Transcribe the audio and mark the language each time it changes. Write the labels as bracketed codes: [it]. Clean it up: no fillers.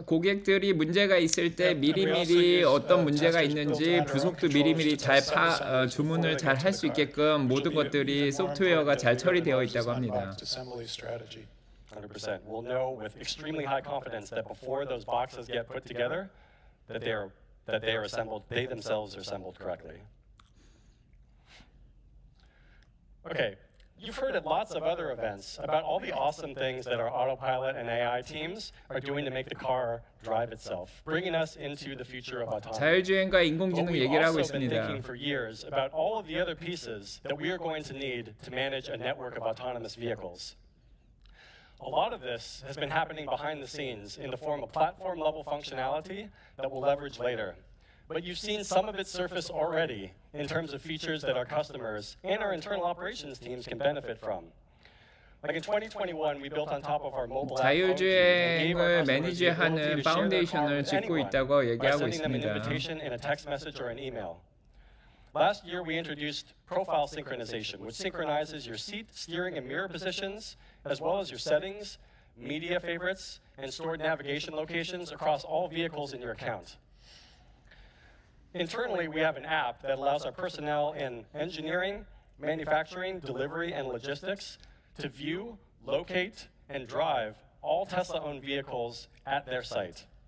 [ko] 고객들이 문제가 있을 때 미리미리 어떤 문제가 있는지 부속도 미리미리 잘 주문을 잘 할 수 있게끔 모든 것들이 소프트웨어가 잘 처리되어 있다고 합니다. 100%. [en] We'll know with extremely high confidence that before those boxes get put together, that they are assembled, they themselves are assembled correctly. Okay. You've heard at lots of other events about all the awesome things that our autopilot and AI teams are doing to make the car drive itself, bringing us into the future of autonomy. [ko] 자율주행과 인공지능 얘기를 하고 있습니다. [en] We've also been thinking for years about all of the other pieces that we are going to need to manage a network of autonomous vehicles. A lot of this has been happening behind the scenes in the form of platform-level functionality that we'll leverage later. But you've seen some of its surface already in terms of features that our customers and our internal operations teams can benefit from. Like in 2021, we built on top of our mobile app. [ko] 자율주행을 매니지하는 파운데이션을 짓고 있다고 얘기하고 있습니다. [en] By sending them an invitation in a text message or an email. Last year, we introduced profile synchronization, which synchronizes your seat, steering, and mirror positions, as well as your settings, media favorites, and stored navigation locations across all vehicles in your account. Internally, we have an app that allows our personnel in engineering, manufacturing, delivery, and logistics to view, locate, and drive all Tesla-owned vehicles at their site.